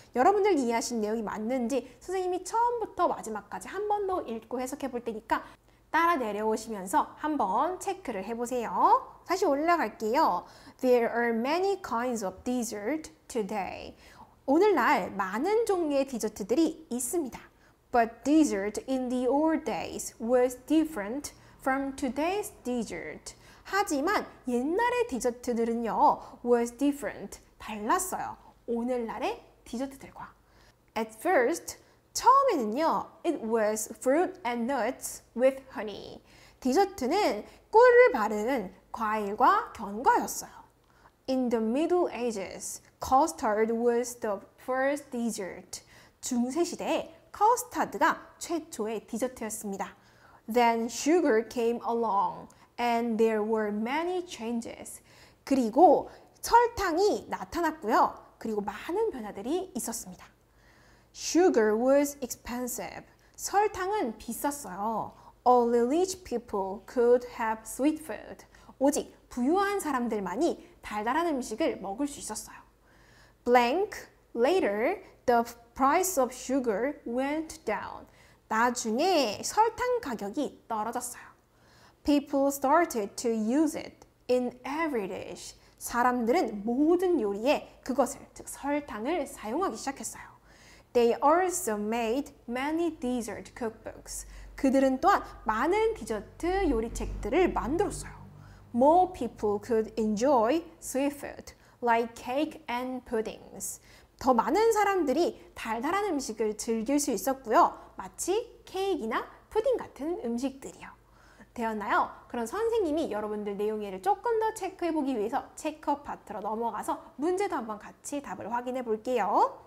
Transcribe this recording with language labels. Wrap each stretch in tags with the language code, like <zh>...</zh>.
<ko>여러분들 이해하신 내용이 맞는지 선생님이 처음부터 마지막까지 한 번 더 읽고 해석해 볼 테니까 따라 내려오시면서 한번 체크를 해보세요. 다시 올라갈게요.</ko> <en>There are many kinds of dessert today.</en> <ko>오늘날 많은 종류의 디저트들이 있습니다.</ko> <en>But dessert in the old days was different from today's dessert.</en> <ko>하지만 옛날의 디저트들은요,</ko> <en>was different,</en> <ko>달랐어요. 오늘날의 디저트들과.</ko> <en>At first,</en> <ko>처음에는요,</ko> <en>it was fruit and nuts with honey.</en> <ko>디저트는 꿀을 바르는 과일과 견과였어요.</ko> <en>In the Middle Ages, custard was the first dessert.</en> <ko>중세 시대에 커스터드가 최초의 디저트였습니다.</ko> <en>Then sugar came along and there were many changes.</en> <ko>그리고 설탕이 나타났고요. 그리고 많은 변화들이 있었습니다.</ko> <en>Sugar was expensive.</en> <ko>설탕은 비쌌어요.</ko> <en>Only rich people could have sweet food.</en> <ko>오직 부유한 사람들만이 달달한 음식을 먹을 수 있었어요.</ko> <en>Blank later the price of sugar went down.</en> <ko>나중에 설탕 가격이 떨어졌어요.</ko> <en>People started to use it in every dish.</en> <ko>사람들은 모든 요리에 그것을, 즉 설탕을 사용하기 시작했어요.</ko> <en>They also made many dessert cookbooks.</en> <ko>그들은 또한 많은 디저트 요리 책들을 만들었어요.</ko> <en>More people could enjoy sweet food like cake and puddings.</en> <ko>더 많은 사람들이 달달한 음식을 즐길 수 있었고요. 마치 케이크나 푸딩 같은 음식들이요. 되었나요? 그럼 선생님이 여러분들 내용 이해를 조금 더 체크해보기 위해서 체크업 파트로 넘어가서 문제도 한번 같이 답을 확인해볼게요.</ko>